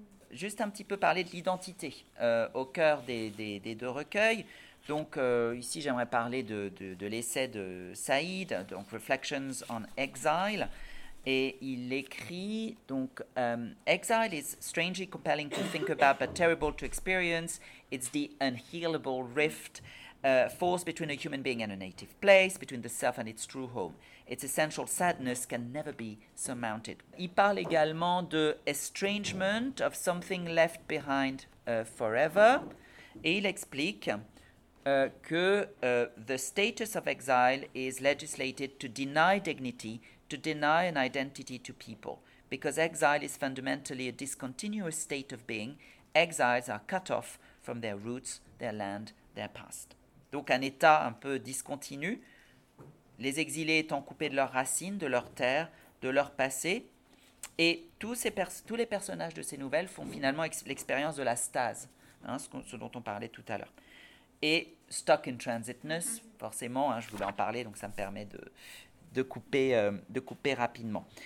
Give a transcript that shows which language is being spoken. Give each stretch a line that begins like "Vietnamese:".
French: Juste un petit peu parler de l'identité au cœur des deux recueils. Donc ici, j'aimerais parler de l'essai de Saïd, donc Reflections on Exile. Et il écrit, donc,
English: Exile is strangely compelling to think about but terrible to experience. It's the unhealable rift forced between a human being and a native place, between the self and its true home. Its essential sadness can never be surmounted.
French: Il parle également de
English: estrangement of something left behind forever.
French: Et il explique que
English: the status of exile is legislated to deny dignity, to deny an identity to people. Because exile is fundamentally a discontinuous state of being, exiles are cut off from their roots, their land, their past.
French: Donc un état un peu discontinu, les exilés étant coupés de leurs racines, de leur terre, de leur passé. Et tous les personnages de ces nouvelles font finalement l'expérience de la stase, hein, ce dont on parlait tout à l'heure. Et
English: stuck in transitness,
French: forcément, hein, je voulais en parler, donc ça me permet de couper rapidement.